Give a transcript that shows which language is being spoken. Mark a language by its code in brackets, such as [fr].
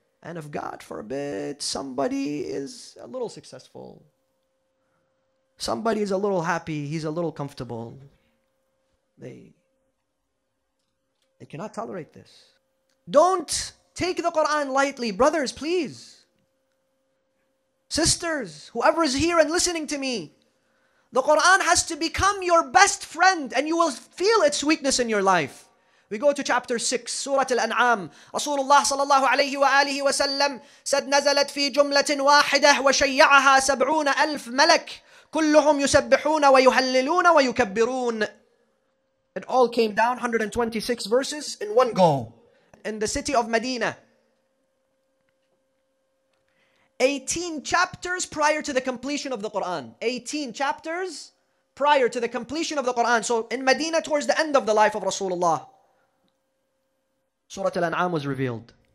[en] And if God forbid, somebody is a little successful, somebody is a little happy, he's a little comfortable, they cannot tolerate this. Don't take the Quran lightly. Brothers, please. Sisters, whoever is here and listening to me, the Quran has to become your best friend and you will feel its weakness in your life. We go to chapter 6, Surah Al-An'am. [ar] Rasulullah sallallahu alayhi wa alihi wa sallam said, نزلت في جملة واحدة وشيعها سبعون ألف ملك كلهم يسبحون ويهللون ويكبرون. [en] It all came down, 126 verses in one go. In the city of Medina, 18 chapters prior to the completion of the Quran. 18 chapters prior to the completion of the Quran. So in Medina, towards the end of the life of Rasulullah, Surah Al-An'am was revealed.